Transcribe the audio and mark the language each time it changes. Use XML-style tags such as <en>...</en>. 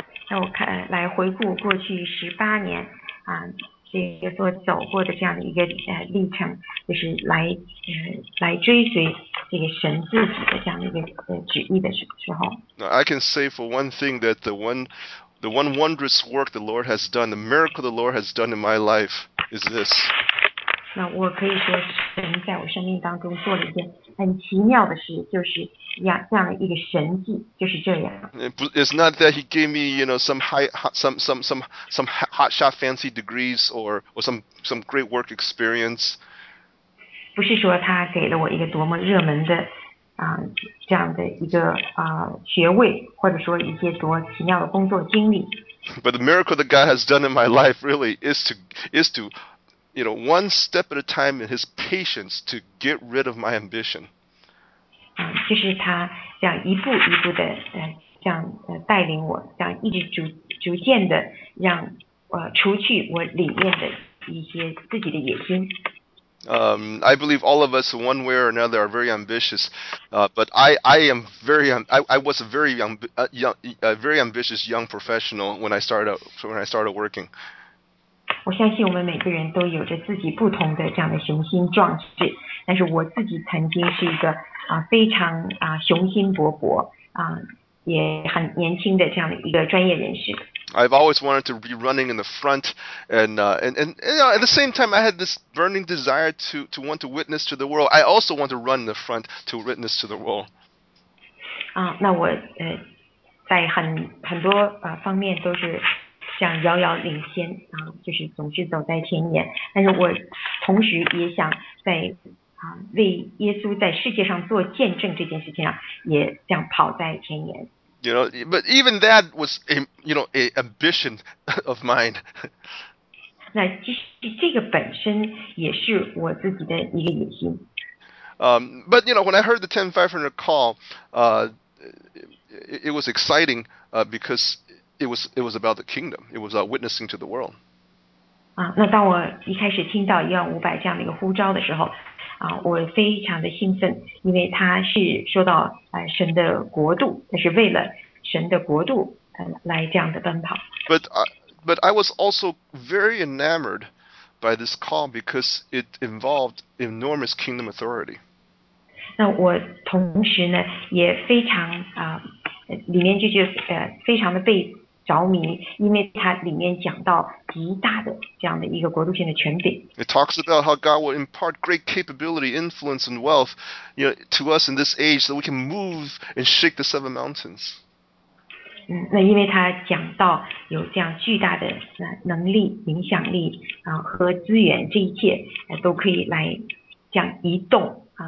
<zh>那我看来回顾过去十八年这个所走过的这样的一个历程，就是来追随这个神自己的这样的一个旨意的时候。</zh> <en>I can say for one thing that the one wondrous work the Lord has done, the miracle the Lord has done in my life is this.</en> <zh>那我可以说神在我生命当中做了一件很奇妙的事，就是这样的一个神迹，就是这样。</zh> <en>It's not that he gave me, some high hotshot fancy degrees or some great work experience.</en> <zh>不是说他给了我一个多么热门的这样的一个学位，或者说一些多奇妙的工作经历。</zh> <en>But the miracle that God has done in my life really is to, you know, one step at a time in His patience to get rid of my ambition.</en> <zh>就是他这样一步一步的这样带领我，这样一直逐渐的让除去我里面的一些自己的野心。</zh> <en>I believe all of us, one way or another, are very ambitious. But I was a very ambitious young professional when I started working.</en> <zh>我相信我们每个人都有着自己不同的这样的雄心壮志，但是我自己曾经是一个非常雄心勃勃也很年轻的这样的一个专业人士。</zh> <en>I've always wanted to be running in the front, and at the same time, I had this burning desire to want to witness to the world. I also want to run in the front to witness to the world.</en> <zh>那我在很多方面都是像遥遥领先就是总是走在前沿。但是我同时也想在为耶稣在世界上做见证这件事情上也想跑在前沿。</zh> <en>You know, but even that was a ambition of mine.</en> <zh>那这个本身也是我自己的一个野心。</zh> <en>But you know, when I heard the 10500 call, it was exciting, because it was about the kingdom. It was witnessing to the world.</en> <zh>那当我一开始听到15000这样的一个呼召的时候，我非常的兴奋，因为他是说到神的国度，他是为了神的国度来这样的奔跑。</zh> <en>But I was also very enamored by this call because it involved enormous kingdom authority.</en> <zh>那我同时呢也非常里面就觉得非常的被着迷，因为它里面讲到极大的这样的一个国度性的权柄。</zh> <en>It talks about how God will impart great capability, influence, and wealth, you know, to us in this age, so we can move and shake the seven mountains.</en> <zh>那因为它讲到有这样巨大的能力、影响力和资源，这一切都可以来这样移动。</zh>